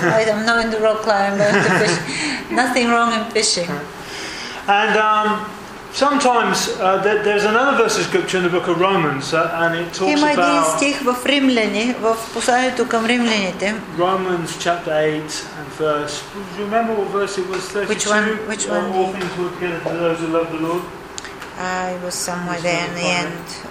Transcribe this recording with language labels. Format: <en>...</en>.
<en>I'm not in the rock climber. Nothing wrong in fishing. And sometimes there's another verse of scripture in the book of Romans, and it talks about.</en> <bg>Има един стих в Римляни, в посланието към римляните.</bg> <en>Romans chapter 8 and verse. Do you remember what verse it was? 32? Which one? All things work together to those who love the Lord. It was somewhere there in the end.</en>